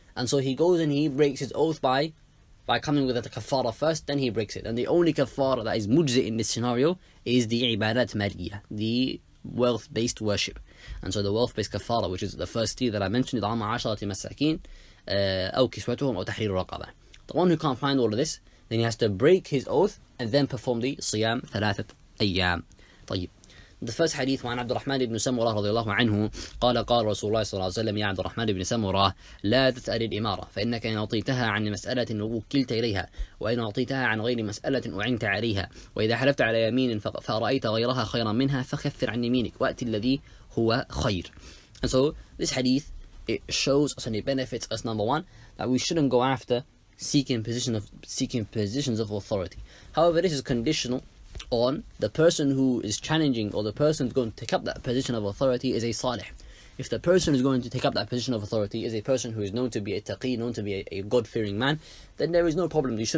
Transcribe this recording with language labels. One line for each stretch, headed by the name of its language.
English: And so he goes and he breaks his oath by coming with a kafara first, then he breaks it. And the only kafara that is mujzi in this scenario is the ibadat maliyah, the wealth-based worship. And so the wealth-based kafara, which is the first three that I mentioned,
Arabic: إطعام عشرة مساكين, أو كسوتهم, أو تحرير رقبة.
English: The one who can't find all of this, then he has to break his oath and then perform the
Arabic: صيام ثلاثة أيام. طيب.
English: The first hadith,
Arabic: وعن عبد الرحمن بن سمرة رضي الله عنه قال قال رسول الله صلى الله عليه وسلم يا عبد الرحمن بن سمرة لا تسأل الإمارة فإنك إن أعطيتها عن مسألة وكلت إليها وإن أعطيتها عن غير مسألة أعنت عليها وإذا حلفت على يمين فرأيت غيرها خيرا منها فخفر عن يمينك وأتي الذي هو خير.
English: And so this hadith, it shows us and it benefits us, number one, that we shouldn't go after seeking positions of authority. However, this is conditional on the person who is challenging or the person who's going to take up that position of authority is a salih. If the person is going to take up that position of authority is a person who is known to be a taqi, known to be a God-fearing man, then there is no problem.